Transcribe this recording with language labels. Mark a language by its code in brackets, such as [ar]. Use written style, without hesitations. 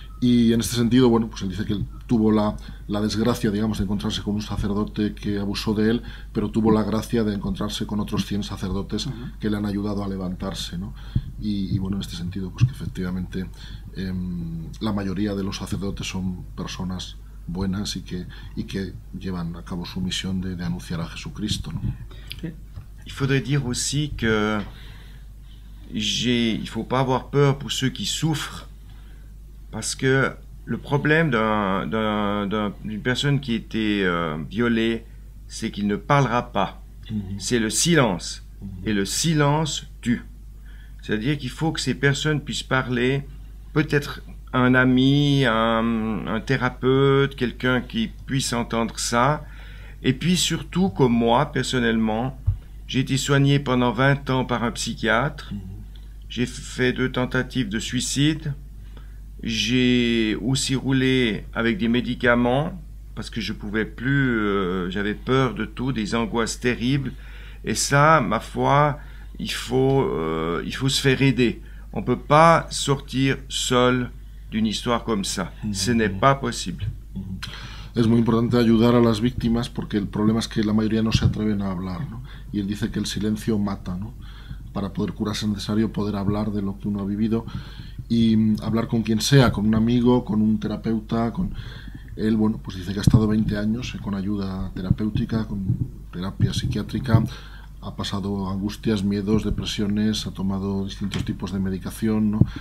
[es] Y en este sentido, bueno, pues él dice que él tuvo la desgracia, digamos, de encontrarse con un sacerdote que abusó de él, pero tuvo la gracia de encontrarse con otros 100 sacerdotes que le han ayudado a levantarse, ¿no? Y bueno, en este sentido, pues que efectivamente la mayoría de los sacerdotes son personas buenas y que llevan a cabo su misión de anunciar a Jesucristo, ¿no? [fr] Il faudrait dire aussi que il ne faut pas avoir peur pour ceux qui souffrent, parce que le problème d'une personne qui a été violée, c'est qu'il ne parlera pas. Mm-hmm. C'est le silence. Mm-hmm. Et le silence tue. C'est-à-dire qu'il faut que ces personnes puissent parler, peut-être un ami, un thérapeute, quelqu'un qui puisse entendre ça. Et puis surtout, comme moi, personnellement, j'ai été soigné pendant 20 ans par un psychiatre. J'ai fait 2 tentatives de suicide. J'ai aussi roulé avec des médicaments parce que je pouvais plus, j'avais peur de tout, des angoisses terribles. Et ça, ma foi, il faut se faire aider. On peut pas sortir seul d'une histoire comme ça. Ce n'est pas possible. [es] Es muy importante ayudar a las víctimas porque el problema es que la mayoría no se atreven a hablar, ¿no? Y él dice que el silencio mata, ¿no? Para poder curarse es necesario poder hablar de lo que uno ha vivido y hablar con quien sea, con un amigo, con un terapeuta, con él, bueno, pues dice que ha estado 20 años con ayuda terapéutica, con terapia psiquiátrica, ha pasado angustias, miedos, depresiones, ha tomado distintos tipos de medicación, ¿no?